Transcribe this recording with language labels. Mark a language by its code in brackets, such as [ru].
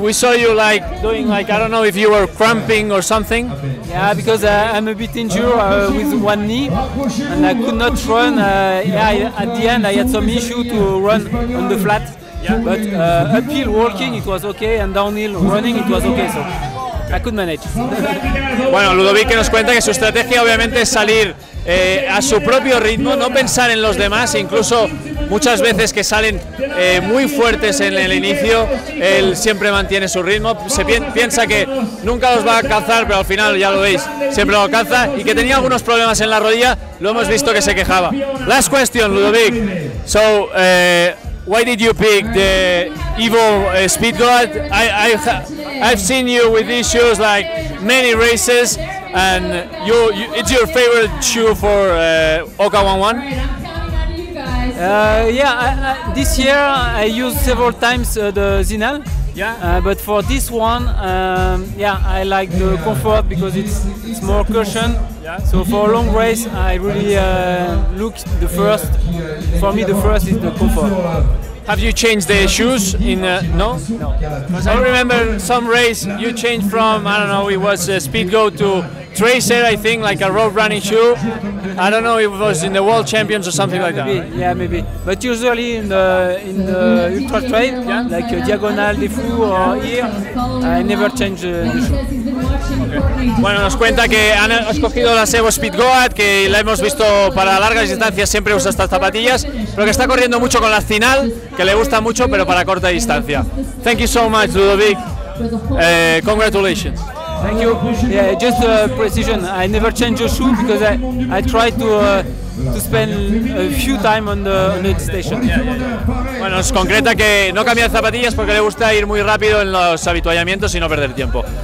[en] We saw you like doing like, I don't know if you were cramping or something. Yeah, because I'm a bit injured with one knee and I could not run. At the end I had some issue to run on the flat. Yeah. But uphill walking it was okay, and downhill running it was okay, so I could manage. [es] Bueno, Ludovic que nos cuenta que su estrategia obviamente es salir a su propio ritmo, no pensar en los demás, incluso muchas veces que salen muy fuertes en el inicio, él siempre mantiene su ritmo, se piensa que nunca los va a alcanzar, pero al final, ya lo veis, siempre lo alcanza, y que tenía algunos problemas en la rodilla, lo hemos visto que se quejaba. [en] Last question, Ludovic. So, why did you pick the Evo Speed God? I've seen you with these shoes like many races, and you it's your favorite shoe for Oka 1-1? This year I used several times the Zinal. Yeah. But for this one, I like the comfort because it's more cushion. Yeah. So for a long race, I really look the first. For me, the first is the comfort. Have you changed the shoes in? No. No. Because I remember some race you changed from, I don't know, it was Speed Go to Tracer, I think, like a road running shoe. I don't know if it was in the World Champions or something like maybe, that. Yeah, maybe. But usually in the ultra trail, like Diagonal, Defu or here, I never change the shoe. [es] Bueno, nos cuenta que han escogido las Evo Speed Goat, que la hemos visto para largas distancias, siempre usa estas zapatillas, pero que está corriendo mucho con la Zinal, que le gusta mucho, pero para corta distancia. [en] Thank you so much, Ludovic. Congratulations. Thank you. Yeah, just precision. I never change your shoe because I try to to spend a few time on the station. [es] Bueno, os concreta que no cambia zapatillas porque le gusta ir muy rápido en los avituallamientos y no perder tiempo.